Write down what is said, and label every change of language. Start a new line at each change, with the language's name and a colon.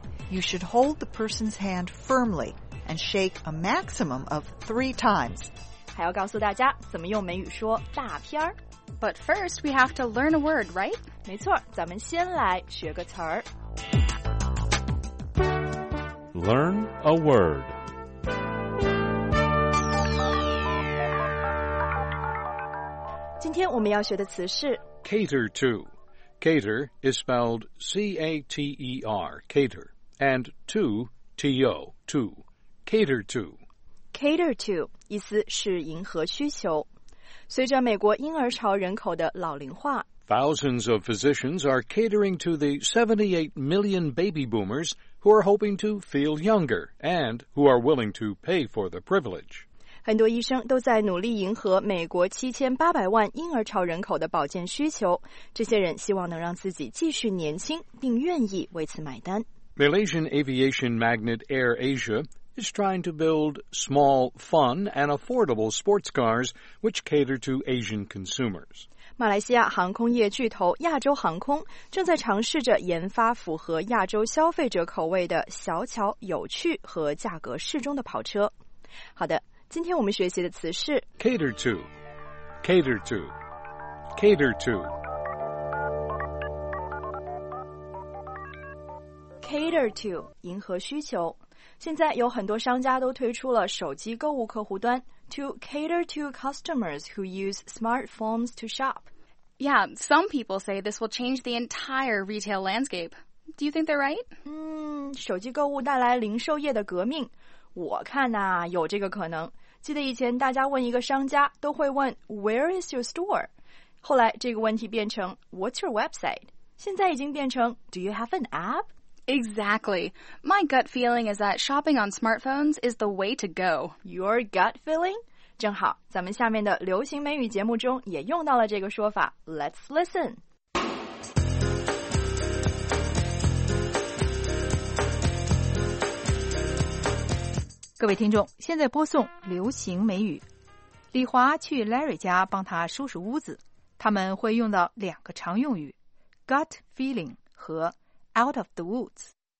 English: You should hold the person's hand firmly and shake a maximum of 3 times.
Chinese: 还要告诉大家怎么用美语说大片儿。
English: But first, we have to learn a word, right?
Chinese: 没错，咱们先来学个词儿。
English: Learn a word.
Chinese: Today, 我们要学的词是
English: cater to. Cater is spelled C-A-T-E-R, cater, and to, T-O, to, cater to.
Chinese: Cater to, 意思是迎合需求。随着美国婴儿潮人口的老龄化，
English: Thousands of physicians are catering to the 78 million baby boomers who are hoping to feel younger and who are willing to pay for the privilege.
Chinese: 很多医生都在努力迎合美国7800万婴儿潮人口的保健需求，这些人希望能让自己继续年轻，并愿意为此买单。
English: Malaysian aviation magnate Air AsiaIs trying to build small, fun, and affordable sports cars which cater to Asian consumers.
Chinese: 马来西亚航空业巨头亚洲航空正在尝试着研发符合亚洲消费者口味的小巧、有趣和价格适中的跑车。好的，今天我们学习的词是
English: cater to, cater to, cater to.
Chinese: Cater to, 迎合需求。现在有很多商家都推出了手机购物客户端
English: to cater to customers who use smartphones to shop. Yeah, some people say this will change the entire retail landscape. Do you think they're right?
Chinese: 手机购物带来零售业的革命，我看呐，有这个可能。记得以前大家问一个商家都会问
English: Where is your store?
Chinese: 后来这个问题变成
English: What's your website?
Chinese: 现在已经变成
English: Do you have an app? Exactly. My gut feeling is that shopping on smartphones is the way to go. Your gut feeling?
Chinese: 正好，咱们下面的流行美语节目中也用到了这个说法。
English: Let's listen.
Chinese: Hello, 听众，现在播送流行美语。李华去 Larry 家帮他收拾屋子，他们会用到两个常用语 ,gut feeling 和Out of the woods.